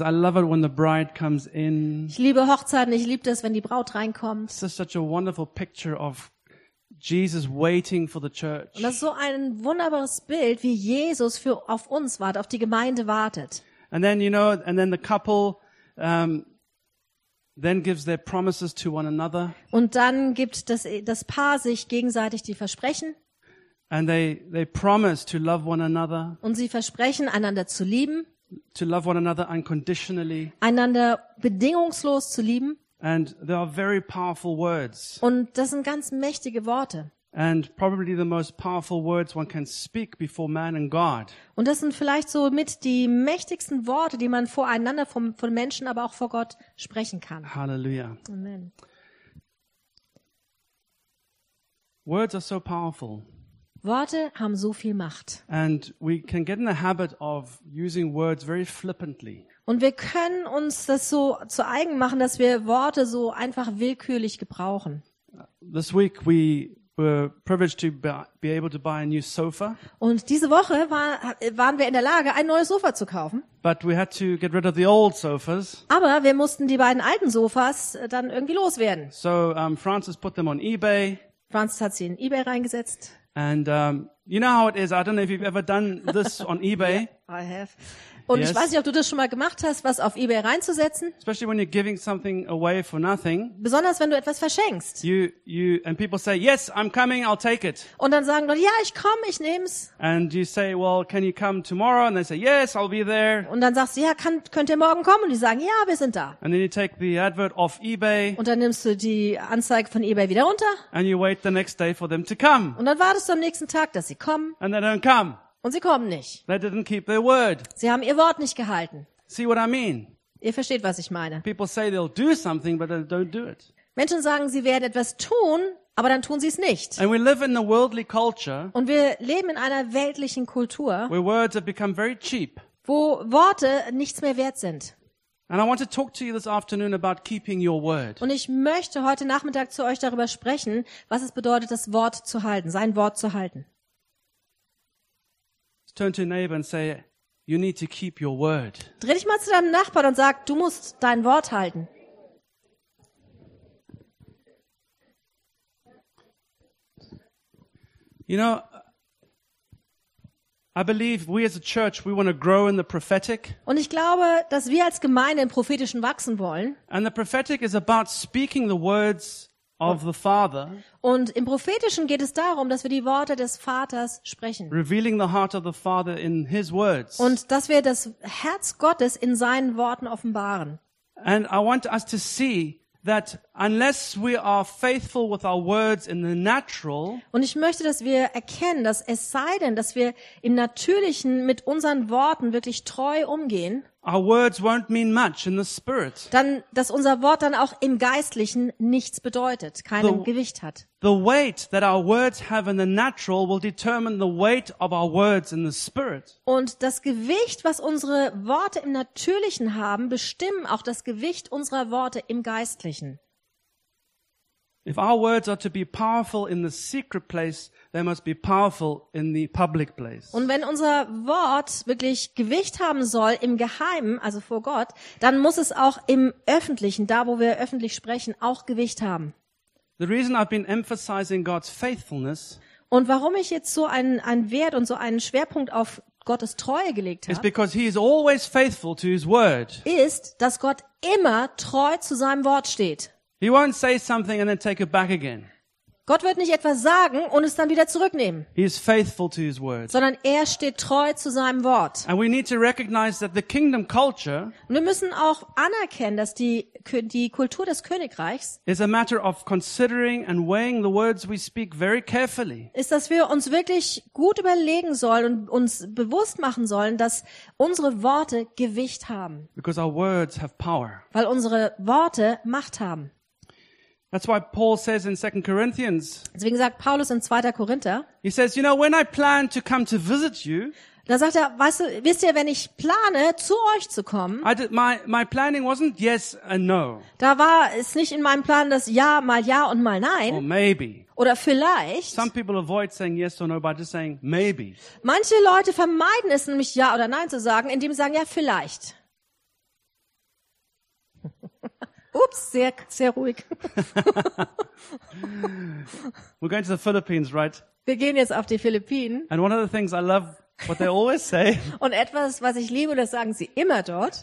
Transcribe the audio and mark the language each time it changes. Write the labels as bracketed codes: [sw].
[en] I love it when the bride comes in. [de] Ich liebe Hochzeiten. Ich liebe das, wenn die Braut reinkommt. [en] This is such a wonderful picture of Jesus waiting for the church. [de] Und das ist so ein wunderbares Bild, wie Jesus für auf uns wartet, auf die Gemeinde wartet. [en] And then you know, and then the couple then gives their promises to one another. [de] Und dann gibt das Paar sich gegenseitig die Versprechen. [en] And they promise to love one another. [de] Und sie versprechen einander zu lieben. [en] To love one another unconditionally. [de] Einander bedingungslos zu lieben. [en] And they are very powerful words. [de] Und das sind ganz mächtige Worte. [en] And probably the most powerful words one can speak before man and God. [de] Und das sind vielleicht so mit die mächtigsten Worte, die man voreinander von Menschen, aber auch vor Gott sprechen kann. Halleluja. Amen. [en] Words are so powerful. [de] Worte haben so viel Macht. [en] And we can get in the habit of using words very flippantly. [de] Und wir können uns das so zu eigen machen, dass wir Worte so einfach willkürlich gebrauchen. [en] This week we were privileged to be able to buy a new sofa. [de] Und diese Woche waren wir in der Lage, ein neues Sofa zu kaufen. [en] But we had to get rid of the old sofas. [de] Aber wir mussten die beiden alten Sofas dann irgendwie loswerden. [en] So Francis put them on eBay. [de] Francis hat sie in eBay reingesetzt. [en] And you know how it is. I don't know if you've ever done this on eBay. Yeah, I have. Und yes. [de] Ich weiß nicht, ob du das schon mal gemacht hast, was auf eBay reinzusetzen. [en] Especially when you're giving something away for nothing. [de] Besonders wenn du etwas verschenkst. [en] You and people say, "Yes, I'm coming, I'll take it." [de] Und dann sagen Leute, "Ja, ich komme, ich nehm's." [en] And you say, "Well, can you come tomorrow?" And they say, "Yes, I'll be there." [de] Und dann sagst du, "Ja, könnt ihr morgen kommen?" Und die sagen, "Ja, wir sind da." [en] And then you take the advert off eBay. [de] Und dann nimmst du die Anzeige von eBay wieder runter. [en] And you wait the next day for them to come. [de] Und dann wartest du am nächsten Tag, dass sie kommen. [en] And they don't come. [de] Und sie kommen nicht. [en] They didn't keep their word. [de] Sie haben ihr Wort nicht gehalten. [en] See what I mean? [de] Ihr versteht, was ich meine. [en] People say they'll do something, but they don't do it. [de] Menschen sagen, sie werden etwas tun, aber dann tun sie es nicht. [en] And we live in a worldly culture, [de] und wir leben in einer weltlichen Kultur, [en] where words have become very cheap. [de] Wo Worte nichts mehr wert sind. [en] And I want to talk to you this afternoon about keeping your word. [de] Und ich möchte heute Nachmittag zu euch darüber sprechen, was es bedeutet, das Wort zu halten, sein Wort zu halten. [en] Turn to your neighbor and say, "You need to keep your word." [de] Dreh dich mal zu deinem Nachbarn und sag, du musst dein Wort halten. [en] You know, I believe we as a church, we want to grow in the prophetic. [de] Und ich glaube, dass wir als Gemeinde im Prophetischen wachsen wollen. [en] And the prophetic is about speaking the words of the Father. [de] Und im Prophetischen geht es darum, dass wir die Worte des Vaters sprechen. [en] Revealing the heart of the Father in his words. [de] Und dass wir das Herz Gottes in seinen Worten offenbaren. [en] And I want us to see that unless we are faithful with our words in the natural. [de] Und ich möchte, dass wir erkennen, dass es sei denn, dass wir im Natürlichen mit unseren Worten wirklich treu umgehen. [en] Our words won't mean much in the spirit. [de] Dann, dass unser Wort dann auch im Geistlichen nichts bedeutet, keinen Gewicht hat. [en] The weight that our words have in the natural will determine the weight of our words in the spirit. [de] Und das Gewicht, was unsere Worte im Natürlichen haben, bestimmen auch das Gewicht unserer Worte im Geistlichen. [en] If our words are to be powerful in the secret place, they must be powerful in the public place. [de] Und wenn unser Wort wirklich Gewicht haben soll im Geheimen, also vor Gott, dann muss es auch im Öffentlichen, da wo wir öffentlich sprechen, auch Gewicht haben. [en] The reason I've been emphasizing God's faithfulness. [de] Und warum ich jetzt so einen Wert und so einen Schwerpunkt auf Gottes Treue gelegt habe, [en] is because he is always faithful to his word. [de] Ist, dass Gott immer treu zu seinem Wort steht. [en] He won't say something and then take it back again. [de] Gott wird nicht etwas sagen und es dann wieder zurücknehmen. [en] He is faithful to his word. [de] Sondern er steht treu zu seinem Wort. [en] And we need to recognize that the kingdom culture. [de] Und wir müssen auch anerkennen, dass die Kultur des Königreichs [en] is a matter of considering and weighing the words we speak very carefully. [de] Ist, dass wir uns wirklich gut überlegen sollen und uns bewusst machen sollen, dass unsere Worte Gewicht haben. [en] Because our words have power. [de] Weil unsere Worte Macht haben. [en] That's why Paul says in 2 Corinthians. [de] Deswegen sagt Paulus in 2. Korinther. [en] He says, you know, when I plan to come to visit you. [de] Da sagt er, weißt du, wisst ihr, wenn ich plane, zu euch zu kommen, [en] my planning wasn't yes and no. [de] Da war es nicht in meinem Plan, dass ja, mal ja und mal nein. [en] Or maybe. [de] Oder vielleicht. [en] Some people avoid saying yes or no by just saying maybe. [de] Manche Leute vermeiden es, nämlich ja oder nein zu sagen, indem sie sagen, ja, vielleicht. Ups, sehr, sehr ruhig. [en] We're going to the Philippines, right? [de] Wir gehen jetzt auf die Philippinen. [en] And one of the things I love, what they always say. [de] Und etwas, was ich liebe, das sagen sie immer dort.